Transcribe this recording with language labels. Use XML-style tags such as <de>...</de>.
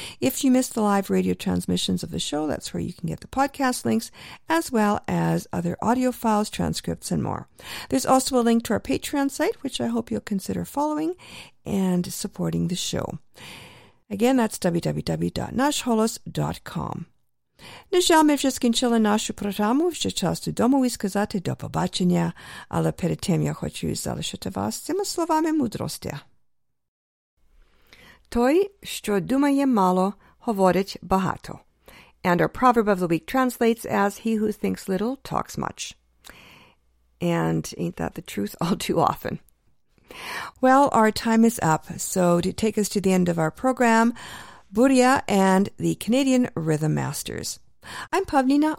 <en>If you miss the live radio transmissions of the show, that's where you can get the podcast links, as well as other audio files, transcripts, and more. There's also a link to our Patreon site, which I hope you'll consider following and supporting the show. Again, that's www.nashholos.com.</en> <uk>Нажами вже скінчили нашу програму. Вже час додому і сказати до побачення. Але перед тим я хочу залишити вас цими словами мудрості. Той, що думає мало, говорить багато.</uk> <en>And our proverb of the week translates as he who thinks little talks much. And ain't that the truth all too often? Well, our time is up. So to take us to the end of our program, Buria and the Canadian Rhythm Masters. I'm Pavlina.</en>